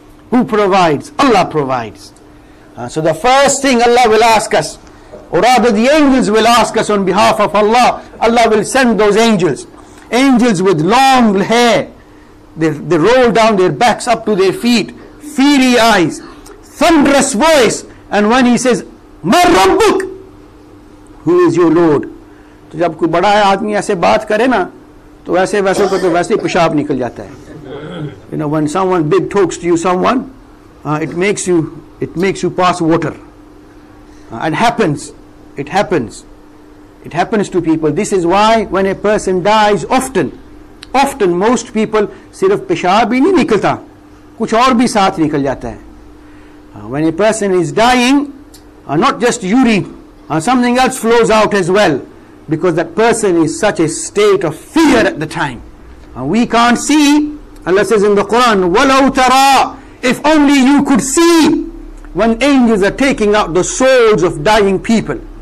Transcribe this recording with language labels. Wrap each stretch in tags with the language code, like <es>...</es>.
<en>Who provides? Allah provides. So the first thing Allah will ask us, or rather the angels will ask us on behalf of Allah, Allah will send those angels. Angels with long hair. They roll down their backs up to their feet, fiery eyes, thunderous voice. And when he says,</en> <ar>Mar Rabbuk,</ar> <en>who is your Lord?</en> <ur>سو جب کوئی بڑا آدمی ایسے بات کرے نا، تو ایسے ویسے کو تو ویسے پیشاب نکل جاتا ہے۔</ur> <en>You know, when someone big talks to you, someone, it makes you pass water. It happens to people. This is why when a person dies often, most people,</en> <ur>صرف پیشاب ہی نہیں نکلتا، کچھ اور بھی ساتھ نکل جاتا ہے۔</ur> <en>When a person is dying, not just urine, something else flows out as well, because that person is such a state of fear at the time. We can't see. Allah says in the Quran,</en> <ar>وَلَوْ تَرَىٰ.</ar> <en>If only you could see when angels are taking out the souls of dying people.</en>